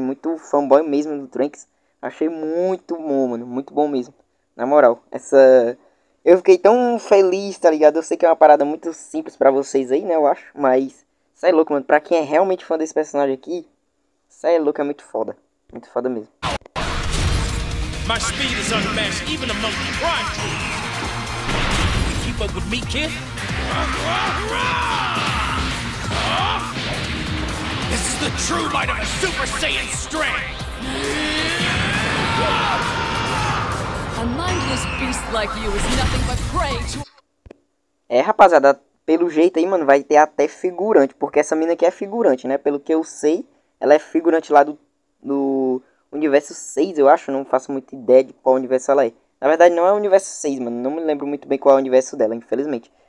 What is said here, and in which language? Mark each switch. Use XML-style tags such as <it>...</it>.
<pt>Muito fanboy mesmo do Trunks. Achei muito bom, mano. Muito bom mesmo. Na moral, essa. Eu fiquei tão feliz, tá ligado? Eu sei que é uma parada muito simples pra vocês aí, né? Eu acho. Mas, cê é louco, mano. Pra quem é realmente fã desse personagem aqui, cê é louco, é muito foda. Muito foda mesmo.</pt> <en>My speed is unmatched, even among the prime team. You keep up with me, kid? This is the true might of a Super Saiyan strength. A mindless beast like you is nothing but prey to.</en> <pt>É, rapaziada, pelo jeito aí, mano, vai ter até figurante. Porque essa mina aqui é figurante, né? Pelo que eu sei, ela é figurante lá do Universo 6, eu acho, não faço muita ideia de qual universo ela é. Na verdade, não é o Universo 6, mano. Não me lembro muito bem qual é o universo dela, infelizmente.</pt>